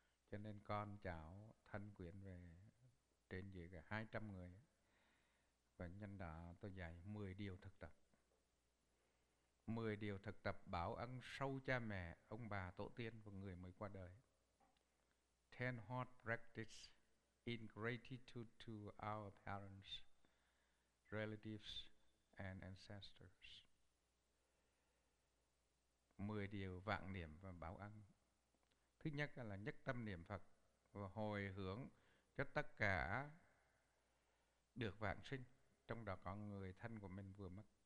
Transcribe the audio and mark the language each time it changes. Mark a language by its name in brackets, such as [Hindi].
[Vietnamese] Cho nên con cháu thân quyến về trên dưới cả 200 người á. Và nhân đó tôi dạy 10 điều thực tập. 10 điều thực tập báo ân sâu cha mẹ, ông bà, tổ tiên và người mới qua đời. [English] 10 hard practice in gratitude to our parents, relatives and ancestors. [Vietnamese] 10 điều vạn niệm và báo ân. Thứ nhất là nhất tâm niệm Phật và hồi hướng cho tất cả được vạn sinh, trong đó có người thân của mình vừa mất.